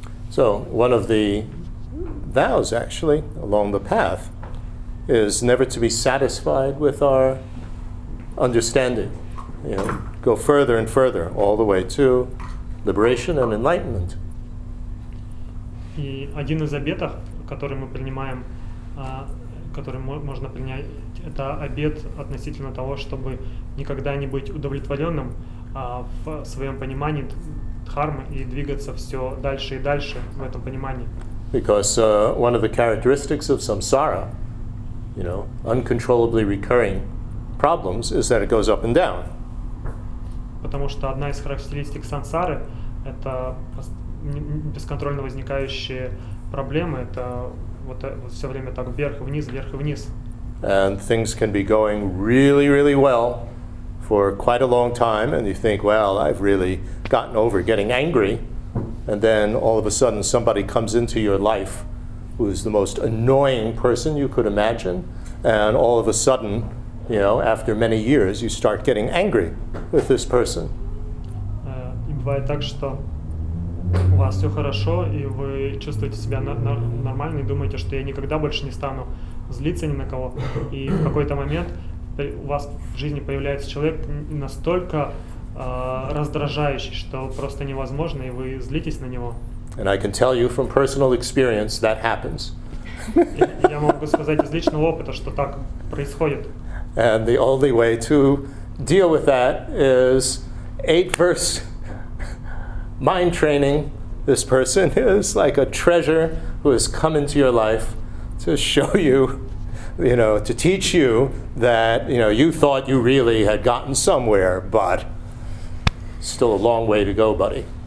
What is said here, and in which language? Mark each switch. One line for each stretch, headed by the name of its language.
English: So, one of the vows, actually, along the path, is never to be satisfied with our understanding. You know, go further and further, all the way to liberation and enlightenment.
Russian: И один из обетов, который мы принимаем, который можно принять, это обет относительно того, чтобы никогда не быть удовлетворенным в своем понимании дхармы и двигаться все дальше и дальше в этом понимании.
English: Because one of the characteristics of samsara, you know, uncontrollably recurring problems, is that it goes up and down.
Russian: Потому что одна из характеристик сансары — это бесконтрольно возникающие проблемы, это вот все время так вверх и вниз, вверх и вниз.
English: And things can be going really, really well for quite a long time, and you think, well, I've really gotten over getting angry. And then all of a sudden somebody comes into your life who is the most annoying person you could imagine, and all of a sudden, you know, after many years, you start getting angry with this person.
Russian: И бывает так, что у вас все хорошо, и вы чувствуете себя нормально и думаете, что я никогда больше не стану злиться ни на кого. И в какой-то момент у вас в жизни появляется человек настолько раздражающий, что просто невозможно, и вы злитесь на него.
English: And I can tell you from personal experience that happens.
Russian: Я могу сказать из личного опыта, что так происходит.
English: And the only way to deal with that is 8-verse mind training. This person is like a treasure who has come into your life to show you, you know, to teach you that, you know, you thought you really had gotten somewhere, but still a long way to go, buddy.